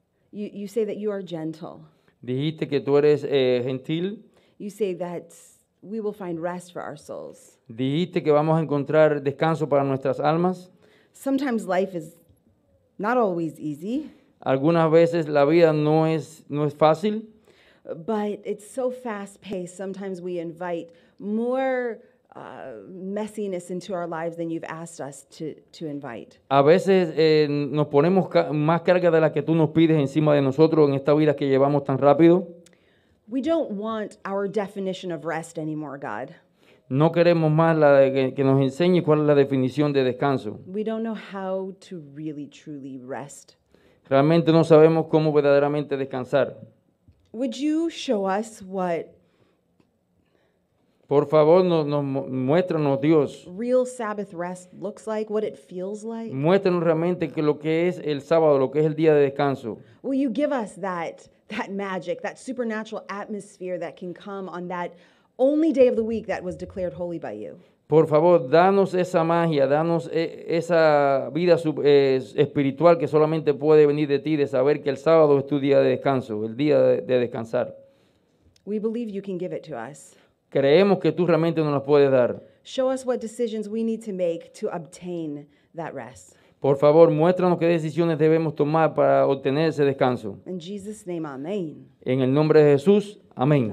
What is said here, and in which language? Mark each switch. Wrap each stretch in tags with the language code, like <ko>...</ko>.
<en>You say that you are gentle.</en> <es>Dijiste que tú eres gentil.</es> <en>You say that we will find rest for our souls.</en> <es>Dijiste que vamos a encontrar descanso para nuestras almas.</es> <en>Sometimes life is not always easy.</en> <es>Algunas veces la vida no es fácil.</es> <en>But it's so fast-paced. Sometimes we invite more messiness into our lives than you've asked us to invite.</en> <es>A veces nos ponemos más carga de la que tú nos pides encima de nosotros en esta vida que llevamos tan rápido.</es> <en>We don't want our definition of rest anymore, God.</en> <es>No queremos más la que nos enseñe cuál es la definición de descanso.</es> <en>We don't know how to really truly rest.</en> <es>Realmente no sabemos cómo verdaderamente descansar.</es> <en>Would you show us what?</en> <es>Por favor, nos muéstranos, Dios.</es> <en>Real Sabbath rest looks like, what it feels like.</en> <es>Muéstranos realmente que lo que es el sábado, lo que es el día de descanso.</es> <en>Will you give us that magic, that supernatural atmosphere that can come on that only day of the week that was declared holy by you?</en> <es>Por favor, danos esa magia, danos esa vida espiritual que solamente puede venir de ti, de saber que el sábado es tu día de descanso, el día de descansar.</es> <en>We believe you can give it to us.</en> <es>Creemos que tú realmente nos lo puedes dar.</es> <en>Show us what decisions we need to make to obtain that rest.</en> <es>Por favor, muéstranos qué decisiones debemos tomar para obtener ese descanso.</es> <en>In Jesus' name, amen.</en> <es>En el nombre de Jesús, amén.</es>